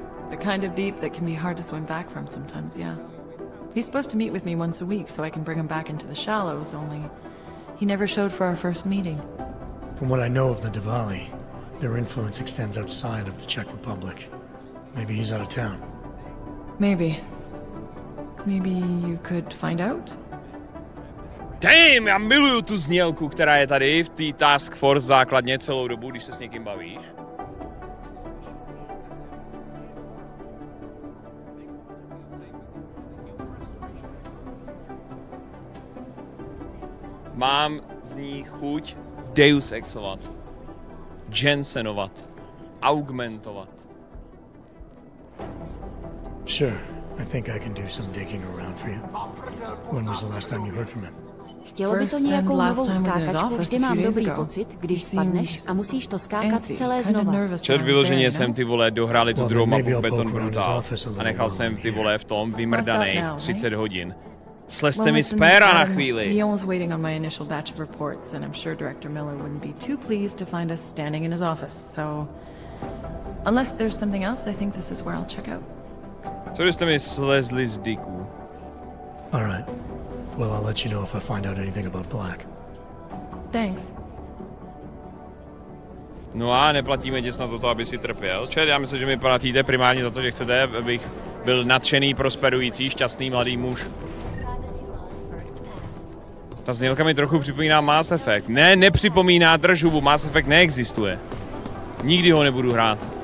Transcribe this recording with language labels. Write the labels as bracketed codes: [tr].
[en] The kind of deep that can be hard to swim back from sometimes, yeah. He's supposed to meet with me once a week so I can bring him back into the shallows, only he never showed for our first meeting. From what I know of the Diwali, their influence extends outside of the Czech Republic. Maybe he's out of town. Maybe. Maybe you could find out? [cs] Damn, já miluju tu znělku, která je tady v té Task Force základně celou dobu, když se s někým bavíš. Mám z ní chuť Deus Exovat. Jensenovat. Augmentovat. [en] Sure. I think I can do some digging around for you. When was the last time you heard from him? [cs] chtělo by to nějakou novou skákačku, vždy mám dobrý pocit, když spadneš a musíš to skákat celé znova. Čet vyloženě jsem ty vole dohráli tu druhou mapu Beton Brutal a nechal jsem ty vole v tom vymrdanej 30 hodin. Slezte mi z péra na chvíli. [en] He was waiting on my initial batch of reports and I'm sure Director Miller wouldn't be too pleased to find us standing in his office, so... Unless there's something else, I think this is where I'll check out. [cs] Co jste mi slezli z díku? [en] All right. Well, I'll let you know if I find out anything about Black. Thanks. [cs] No a neplatíme tě snad za to, aby si trpěl. Čet, já myslím, že mi platíte primárně za to, že chcete, abych byl nadšený, prosperující, šťastný, mladý muž. Ta znělka mi trochu připomíná Mass Effect. Ne, nepřipomíná, drž hubu, Mass Effect neexistuje. Nikdy ho nebudu hrát.